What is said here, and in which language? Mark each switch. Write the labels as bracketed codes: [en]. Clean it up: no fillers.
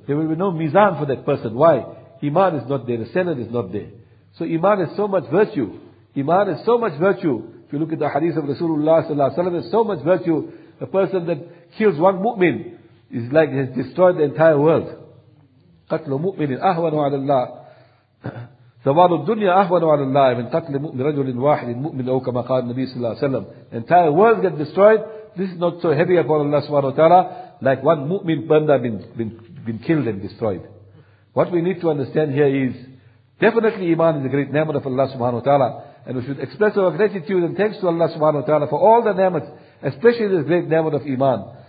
[en] There will be no mizan for that person. Why? Iman is not there, the standard is not there. So Iman is so much virtue. Iman is so much virtue. If you look at the hadith of Rasulullah sallallahu alaihi wasallam, it's so much virtue. A person that kills one mu'min is like he has destroyed the entire world. [ar] قتل مؤمن أهون على الله ثواب الدنيا أهون على الله من قتل مؤمن رجل واحد مؤمن أو كما قال النبي صلى الله عليه وسلم. [en] Entire world get destroyed. This is not so heavy upon Allah subhanahu wa ta'ala like one mu'min banda been killed and destroyed. What we need to understand here is definitely Iman is a great ni'mat of Allah subhanahu wa ta'ala, and we should express our gratitude and thanks to Allah subhanahu wa ta'ala for all the ni'mat, especially this great ni'mat of Iman.